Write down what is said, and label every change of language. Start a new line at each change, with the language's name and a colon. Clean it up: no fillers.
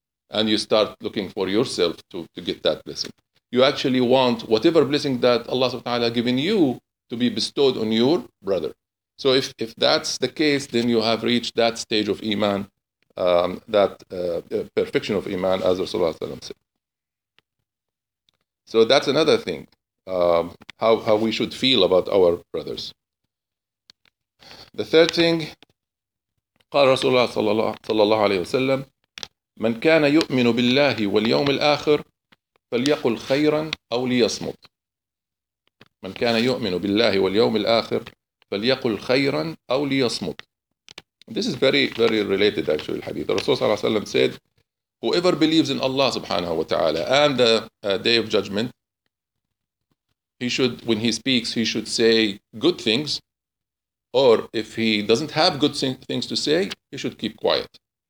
English: And you start looking for yourself to get that blessing. You actually want whatever blessing that Allah subhanahu wa ta'ala has given you to be bestowed on your brother. So if that's the case, then you have reached that stage of iman, perfection of iman, as Rasulullah sallam said. So that's another thing, how we should feel about our brothers. The third thing,
Arabic: قال رسول الله صلى الله عليه وسلم, من كان يؤمن بالله واليوم الآخر فليقل خيرا أو ليصمت. من كان يؤمن بالله واليوم الآخر فليقل خيرا أو ليصمت.
English: This is very, very related actually, the hadith. Rasulullah صلى الله عليه وسلم said, whoever believes in Allah subhanahu wa ta'ala and the day of judgment, he should, when he speaks, he should say good things. Or if he doesn't have good things to say, he should keep quiet.